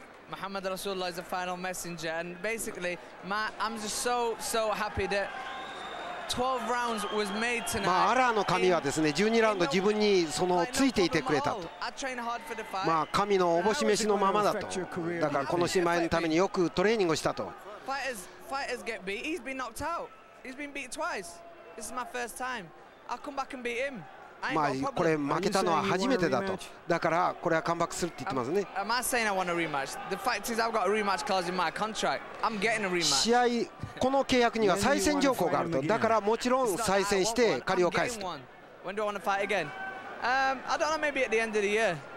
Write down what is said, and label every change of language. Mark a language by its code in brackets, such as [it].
[en] Muhammad Rasulullah is the final messenger, and basically, I'm just so happy that。 12 rounds was made tonight. [ja] まあ、アラーの神はですね、12ラウンド自分にそのついていてくれたと。まあ、神のおぼし召しのままだと。だからこの試合のためによくトレーニングをしたと。 [en] Fighters get beat. He's been knocked out. He's been beat twice. This is my first time. I'll come back and beat him. [ja] まあ、これ負けたのは初めてだと。だからこれはカムバックするって言ってますね。 [en] Am I saying I want a rematch? The fact is I've got a rematch clause in my contract. I'm getting a rematch. [ja] 試合、この契約には再戦条項があると。だからもちろん再戦して借りを返すと。 [en] When do I want to fight again? I don't know. Maybe at the end of the year.